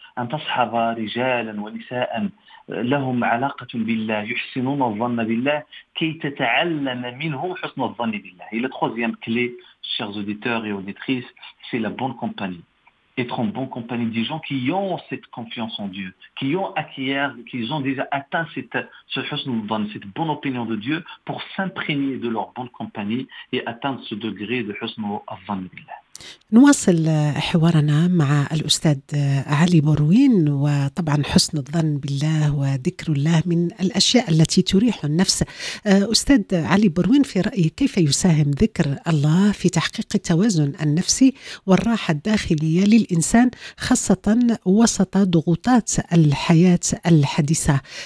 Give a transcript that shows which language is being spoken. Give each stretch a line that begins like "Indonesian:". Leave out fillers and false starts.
Arabic: أن تصحب رجالا ونساء لهم علاقة بالله يحسنون الظن بالله كي تتعلم منهم حسن الظن بالله.
French: La troisième clé chers auditeurs et auditrices c'est la bonne compagnie. Être en bonne compagnie des gens qui ont cette confiance en Dieu, qui ont acquis, qui ont déjà atteint cette husn, cette bonne opinion de Dieu pour s'imprégner de leur bonne compagnie et atteindre ce degré de husn al-dhan billah.
Arabic: نواصل حوارنا مع الأستاذ علي بروين وطبعا حسن الظن بالله وذكر الله من الأشياء التي تريح النفس. أستاذ علي بروين في رأيك كيف يساهم ذكر الله في تحقيق التوازن النفسي والراحة الداخلية للإنسان خاصة وسط ضغوطات الحياة الحديثة؟